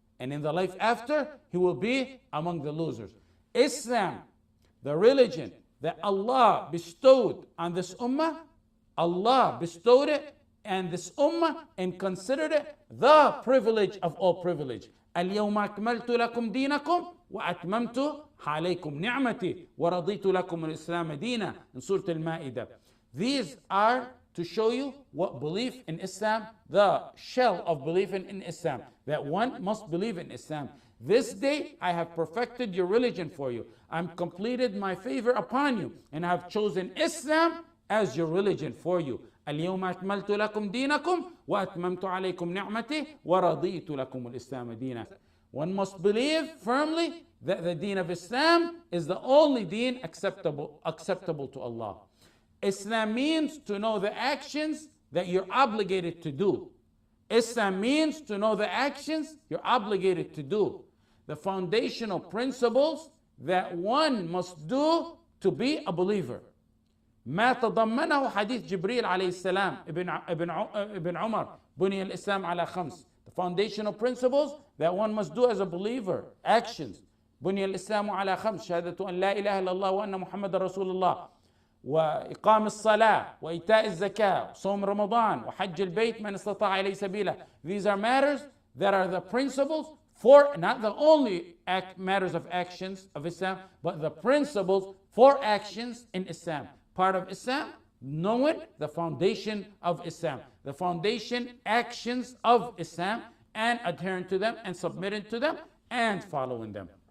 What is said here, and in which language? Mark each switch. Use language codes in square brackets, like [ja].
[en] And in the life after, he will be among the losers. Islam, the religion that Allah bestowed on this ummah, Allah bestowed it, and this ummah and considered it the privilege of all privilege. [ar] الْيَوْمَ أَكْمَلْتُ لَكُمْ دِينَكُمْ وَأَتْمَمْتُ عَلَيْكُمْ نِعْمَتِي وَرَضِيتُ لَكُمْ الْإِسْلَامَ دِينًا [en] in Surah Al-Ma'idah. These are to show you what belief in Islam, the shell of belief in Islam, that one must believe in Islam. This day I have perfected your religion for you. I'm completed my favor upon you and I have chosen Islam as your religion for you. [ar] اليوم أكملت لكم دينكم وأتممت عليكم نعمتي ورضيت لكم الإسلام دينا. [en] One must believe firmly that the deen of Islam is the only deen acceptable to Allah. Islam means to know the actions that you're obligated to do. Islam means to know the actions you're obligated to do. The foundational principles that one must do to be a believer. [ar] ما تضمنه حديث جبريل عليه السلام ابن عمر بني الإسلام على خمس. [en] The foundational principles that one must do as a believer. Actions. [ar] بني الإسلام على خمس. شهادة أن لا إله إلا الله وأن محمد رسول الله. وإقام الصلاة وإيتاء الزكاة. صوم رمضان وحج البيت من استطاع إليه سبيله. [en] These are matters that are the principles for, not the only matters of actions of Islam, but the principles for actions in Islam. Part of Islam, knowing the foundation of Islam, the foundation actions of Islam, and adhering to them, and submitting to them, and following them.